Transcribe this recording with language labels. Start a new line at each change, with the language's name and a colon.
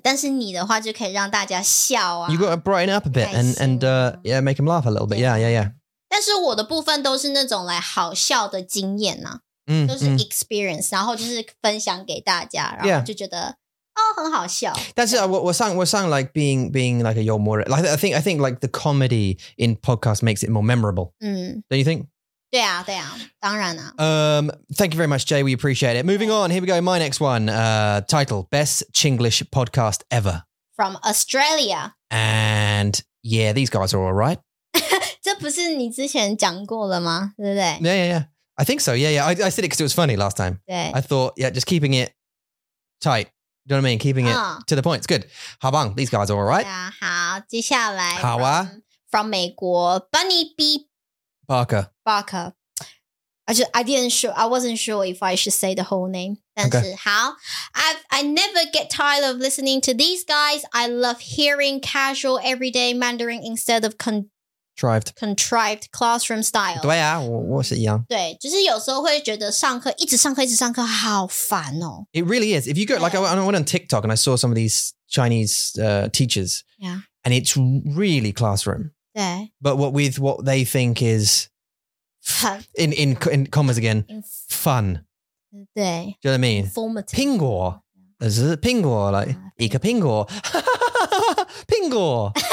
Chinese: 但是你的话就可以让大家笑啊,
English: you got to brighten up a bit and make them laugh a little bit. Yeah.
Chinese: 但是我的部分都是那种来好笑的经验啊, 都是 experience, 然后就是分享给大家,然后就觉得哦很好笑。但是我上
English: like being like a humor, like I think like the comedy in podcast makes it more memorable. Don't you think?
Chinese: 对啊,当然啊。
English: Thank you very much, Jay. We appreciate it. Moving on, here we go. My next one. Title, Best Chinglish Podcast Ever. from Australia. And yeah, these guys are all right.
Chinese: 这不是你之前讲过了吗? 对不对?
English: Yeah, yeah, yeah. I think so. Yeah, yeah. I said it because it was funny last time. I thought, yeah, just keeping it tight. You know what I mean? Keeping it to the point. It's good.
Chinese: 好棒,
English: these guys are all right.
Chinese: 好,接下来好啊?
English: From 美国, Bunny B. Barker. Barker. I wasn't sure if I should say the whole name. I never get tired of listening to these guys. I love hearing casual everyday Mandarin instead of contrived classroom style.
Chinese: 对啊,我是一样。对,就是有时候会觉得上课,一直上课,一直上课,好烦哦。
English: It really is. If you go, like I went on TikTok and I saw some of these Chinese teachers. Yeah. And it's really classroom.
Chinese: 对。
English: But what they think is... In commas again, fun.
Chinese: 对,
English: do you know what I mean? Informative.
Chinese: 苹果,
English: this is a
Chinese: 苹果, like 一个苹果, 苹果.